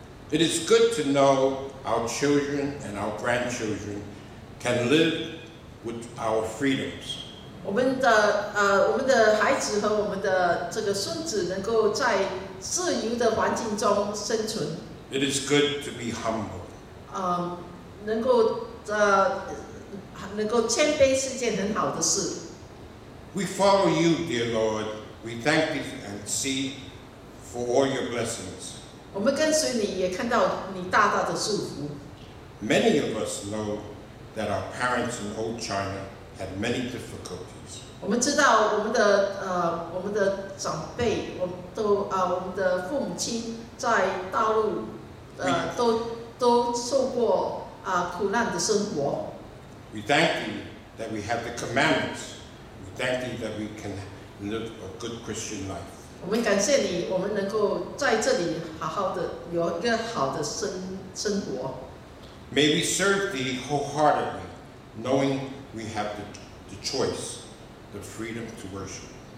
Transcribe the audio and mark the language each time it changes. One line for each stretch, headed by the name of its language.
English: It is good to know our children and our grandchildren can live with our freedoms.
Chinese: 我们的孩子和我们的这个孙子能够在自由的环境中生存。
English: It is good to be humble.
Chinese: 能够谦卑是件很好的事。
English: We follow you, dear Lord. We thank you and see for all your blessings.
Chinese: 我们跟随你也看到你大大的祝福。
English: Many of us know that our parents in old China. Had many difficulties.
Chinese: 我们知道我们的我们的长辈，我们都我们的父母亲在大陆都受过苦难的生活。
English: We thank you that we have the commandments. We thank you that we can live a good Christian life.
Chinese: 我们感谢你，我们能够在这里好好的有一个好的 生活。
English: May we serve thee wholeheartedly, knowing we have the choice, the freedom to worship.